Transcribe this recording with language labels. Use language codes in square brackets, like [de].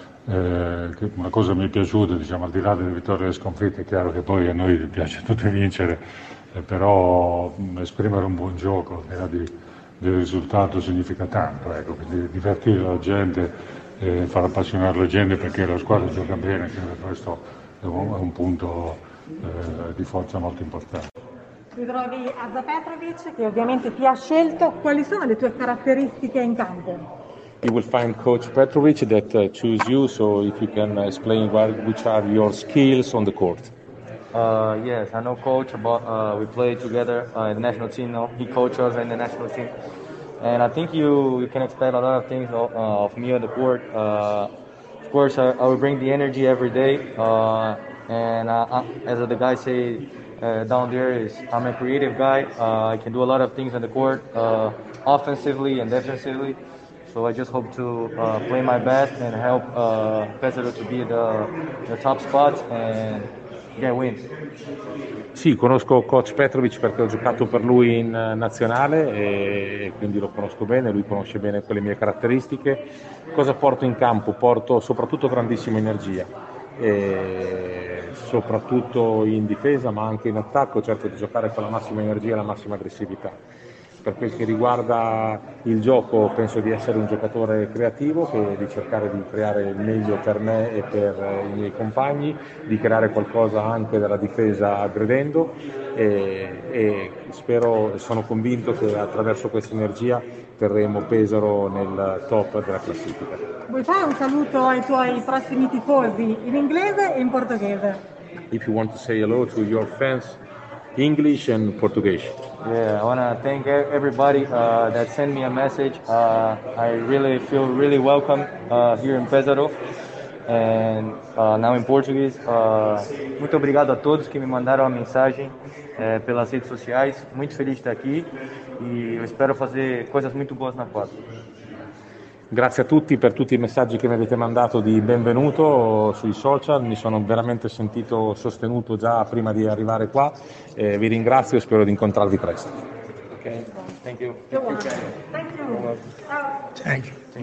[it] Una cosa mi è piaciuta, diciamo, al di là delle vittorie e delle sconfitte, è chiaro che poi a noi piace tutto vincere, però esprimere un buon gioco al di là del risultato significa tanto, ecco, quindi divertire la gente, far appassionare la gente perché la squadra gioca bene, questo è un punto di forza molto importante. Ti trovi a Zapetrovic, che ovviamente ti ha scelto. Quali sono le tue caratteristiche in campo? [en] You will find Coach Petrovic that choose you, so if you can explain which are your skills on the court. Yes, I know Coach, but we play together in the national team. No? He coaches in the national team. And I think you can expect a lot of things of me on the court. Of course, I will bring the energy every day. As the guy say, down there is I'm a creative guy. I can do a lot of things on the court, offensively and defensively. So I just hope to play my best and help Pesaro to be the top spot and get wins. [it] Sì, conosco Coach Petrovic perché ho giocato per lui in nazionale e quindi lo conosco bene, lui conosce bene quelle mie caratteristiche. Cosa porto in campo? Porto soprattutto grandissima energia, e soprattutto in difesa ma anche in attacco, cerco di giocare con la massima energia e la massima aggressività. Per quel che riguarda il gioco, penso di essere un giocatore creativo, che di cercare di creare il meglio per me e per i miei compagni, di creare qualcosa anche dalla difesa aggredendo e spero, sono convinto che attraverso questa energia terremo Pesaro nel top della classifica. Vuoi fare un saluto ai tuoi prossimi tifosi in inglese e in portoghese? [en] If you want to say hello to your fans, English and Portuguese. Yeah, I want to thank everybody that sent me a message. I really feel really welcome here in Pesaro. And now in Portuguese, [pt] muito obrigado a todos que me mandaram a mensagem pelas redes sociais. Muito feliz de estar aqui e eu espero fazer coisas muito boas na quadra. [it] Grazie a tutti per tutti i messaggi che mi avete mandato di benvenuto sui social, mi sono veramente sentito sostenuto già prima di arrivare qua. Vi ringrazio e spero di incontrarvi presto. [en] Okay. Thank you. Good one. Thank you. Thank you.